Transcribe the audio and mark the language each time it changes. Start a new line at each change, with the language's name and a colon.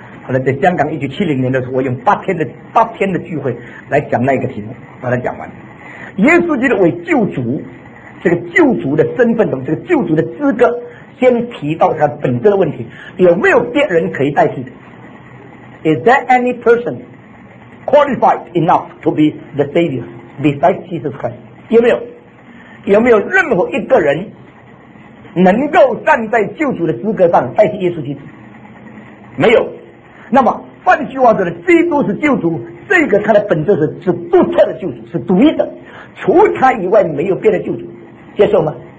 Chinese: 后来在香港1970年的时候，我用八天的聚会来讲那个题目，把它讲完。耶稣基督为救主，这个救主的身份，这个救主的资格，先提到他本质的问题，有没有别人可以代替的？
English: Is there any person qualified enough to be the Savior besides Jesus Christ？
Chinese: 有没有？有没有任何一个人能够站在救主的资格上代替耶稣基督？没有。那么换句话说，基督是救主，这个他的本质是独特的救主，是独一的，除他以外没有别的救主，接受吗？